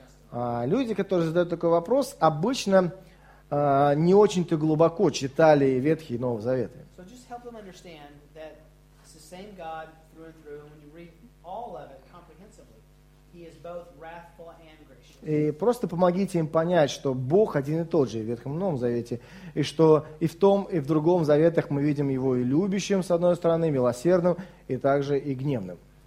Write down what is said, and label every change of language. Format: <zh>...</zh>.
<ru>Люди, которые задают такой вопрос, обычно не очень-то глубоко читали Ветхий и Новый Заветы.</ru> <en>So just help them understand that it's the same God through and through, and when you read all of it comprehensively, He is both wrathful and gracious.</en> <ru>И просто помогите им понять, что Бог один и тот же в Ветхом и Новом Завете, и что и в том, и в другом заветах мы видим Его и любящим, с одной стороны, милосердным, и также и гневным.</ru>